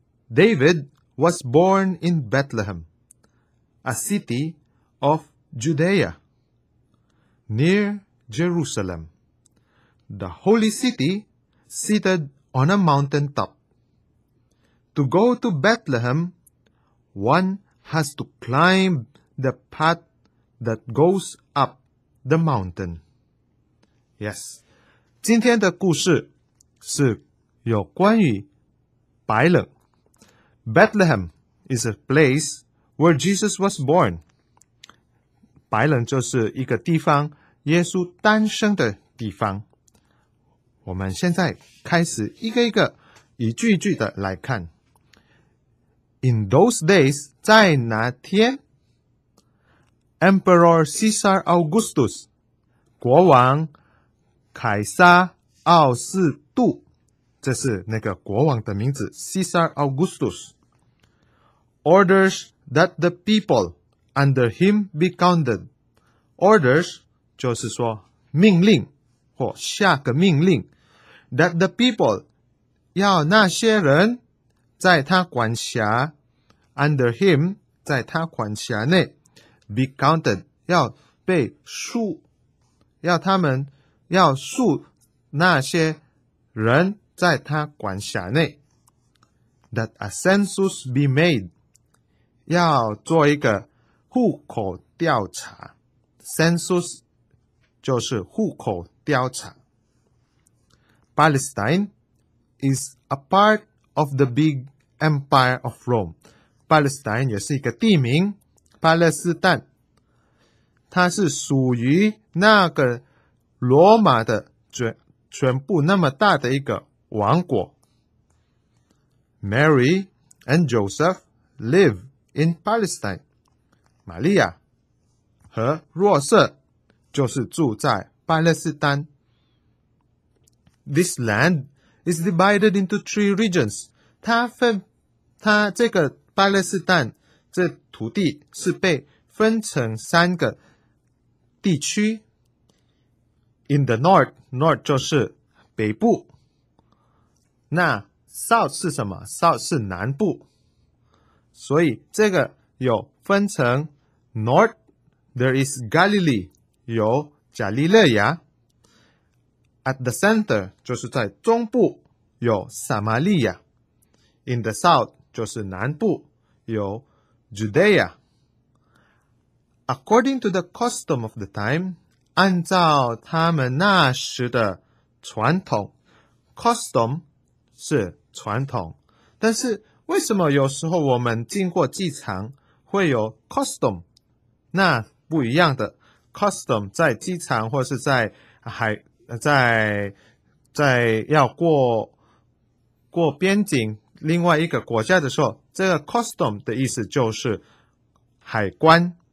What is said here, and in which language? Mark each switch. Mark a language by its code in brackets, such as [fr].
[en] David was born in Bethlehem, a city of Judea, near Jerusalem, the holy city seated on a mountaintop. To go to Bethlehem,One has to climb the path that goes up the mountain. [zh] Yes, 今天的故事是有关于白人。 [en] Bethlehem is a place where Jesus was born. [zh] 白人就是一个地方，耶稣诞生的地方。我们现在开始一个一个，一句一句的来看。 [en] In those days, [zh] 在那天 [en] Emperor Caesar Augustus, [zh] 国王凯撒奥斯杜，这是那个国王的名字 [en] Caesar Augustus, orders that the people under him be counted. [zh] Orders 就是说命令或下个命令 [en] that the people [zh] 要那些人在他管辖 [en] Under him, [zh] 在他管辖内 [en] be counted, [zh] 要被数，要他们要数那些人在他管辖内 [en] that a census be made, [zh] 要做一个户口调查 [en] census [zh] 就是户口调查 [en] Palestine is a part of the big empire of Rome. [zh] Palestine 也是一个地名，巴勒斯坦，它是属于那个罗马的全部那么大的一个王国。 [en] Mary and Joseph live in Palestine. [zh] 玛利亚和若瑟就是住在巴勒斯坦。 [en] This land is divided into three regions. [zh] 它这个巴勒斯坦这土地是被分成三个地区。 [en] In the north, north [zh] 就是北部。那 south 是什么？south 是南部。所以这个有分成 north, [en] there is Galilee, [zh] 有加利勒亚。 [en] At the center, [zh] 就是在中部有撒玛利亚。 [en] In the south, [zh] 就是南部。 有 Judea. [en] According to the custom of the time, [zh] 按照他们那时的传统 [en] custom [zh] 是传统。但是为什么有时候我们经过机场会有 custom? 那不一样的 custom 在机场或是在海在要过边境另外一个国家的时候，这个 custom 的意思就是海关。